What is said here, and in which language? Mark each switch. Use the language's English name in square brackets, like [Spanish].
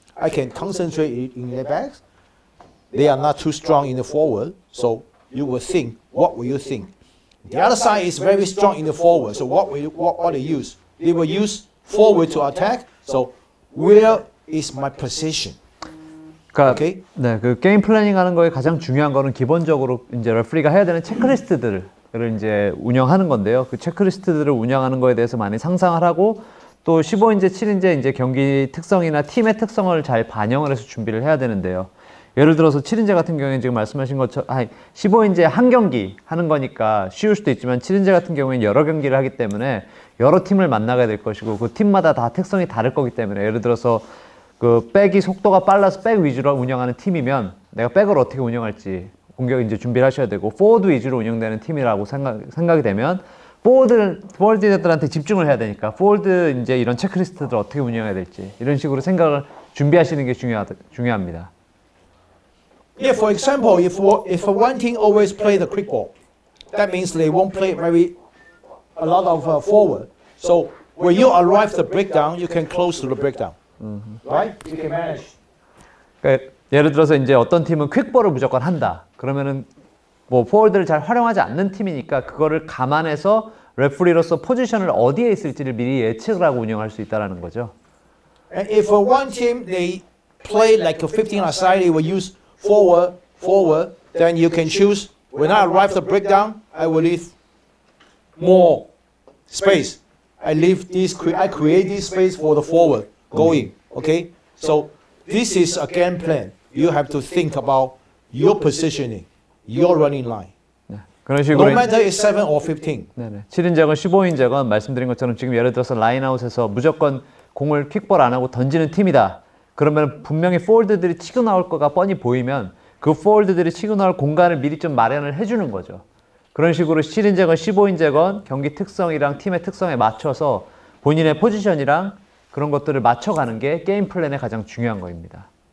[English] I can concentrate in their backs. They are not too strong in the forward, so you will think, what will you think? The other side is very strong in the forward, so what they use? They will use forward to attack, so where is my position? [Korean] 그러니까, okay? 네, 그 게임 플래닝 하는 거에 가장 중요한 거는 기본적으로 이제 레프리가 해야 되는 체크리스트들을 이제 운영하는 건데요. 그 체크리스트들을 운영하는 거에 대해서 많이 상상을 하고 또 15인제, 7인제 이제 경기 특성이나 팀의 특성을 잘 반영을 해서 준비를 해야 되는데요. 예를 들어서 7인제 같은 경우에 지금 말씀하신 것처럼 아니, 15인제 한 경기 하는 거니까 쉬울 수도 있지만 7인제 같은 경우에는 여러 경기를 하기 때문에 여러 팀을 만나게 될 것이고 그 팀마다 다 특성이 다를 거기 때문에 예를 들어서 그 백이 속도가 빨라서 백 위주로 운영하는 팀이면 내가 백을 어떻게 운영할지 공격 이제 준비를 하셔야 되고 포워드 위주로 운영되는 팀이라고 생각이 되면 포워드들한테 집중을 해야 되니까 포워드 이제 이런 체크리스트들 어떻게 운영해야 될지 이런 식으로 생각을 준비하시는 게 중요합니다. [English] Yeah, for example, if one team always play the quick ball, that means they won't play very a lot of forward. So when you arrive the breakdown, you can close to the breakdown, right? You can manage. [Korean] 그러니까 예를 들어서 이제 어떤 팀은 퀵볼을 무조건 한다. 그러면은 뭐 포워드를 잘 활용하지 않는 팀이니까 그거를 감안해서 레프리로서 포지션을 어디에 있을지를 미리 예측을 하고 운영할 수 있다라는 거죠. [English] And if one team they play like a 15-a-side, they will use forward, then you can choose, when I arrive the breakdown, I will leave more space. I create this space for the forward going, okay? So this is a game plan. You have to think about your positioning, your running line. [Korean] 네, 그런 식으로 [English] no matter it's 7 or 15. [Korean] 네, 네. 7인제건 15인제건 말씀드린 것처럼 지금 예를 들어서 라인아웃에서 무조건 공을 킥볼 안 하고 던지는 팀이다. 그러면 분명히 포월드들이 치고 나올 거가 뻔히 보이면 그 포월드들이 치고 나올 공간을 미리 좀 마련을 해주는 거죠. 그런 식으로 7인제건 15인제건 경기 특성이랑 팀의 특성에 맞춰서 본인의 포지션이랑 그런 것들을 맞춰가는 게 게임 플랜의 가장 중요한 거입니다.